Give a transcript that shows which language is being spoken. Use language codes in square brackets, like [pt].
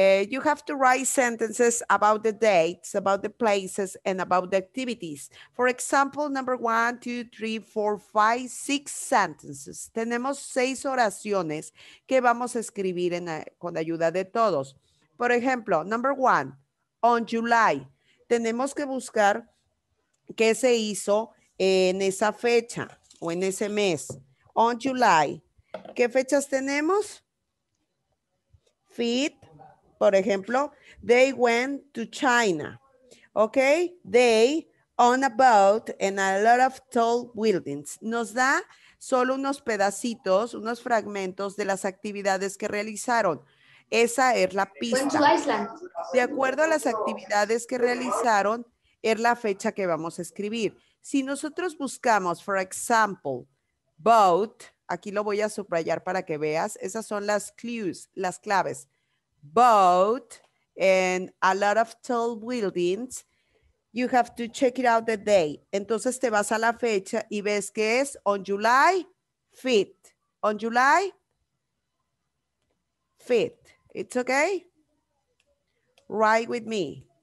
[en] You have to write sentences about the dates, about the places, and about the activities. For example, number 1, 2, 3, 4, 5, 6 sentences. [es] Tenemos 6 oraciones que vamos a escribir con ayuda de todos. Por ejemplo, [en] number 1, on July. [es] Tenemos que buscar qué se hizo en esa fecha o en ese mes. [en] On July. [es] ¿Qué fechas tenemos? Fit. Por ejemplo, [en] they went to China. Okay, they on a boat and a lot of tall buildings. [es] Nos da solo unos pedacitos, unos fragmentos de las actividades que realizaron. Esa es la pista. [en] Went to Iceland. [es] De acuerdo a las actividades que realizaron, es la fecha que vamos a escribir. Si nosotros buscamos, [en] for example, [es] boat, aquí lo voy a subrayar para que veas. Esas son las clues, las claves. [en] Boat and a lot of tall buildings, you have to check it out the day. [es] Entonces te vas a la fecha y ves que es [en] on July 5th. On July 5th. It's okay? Write with me.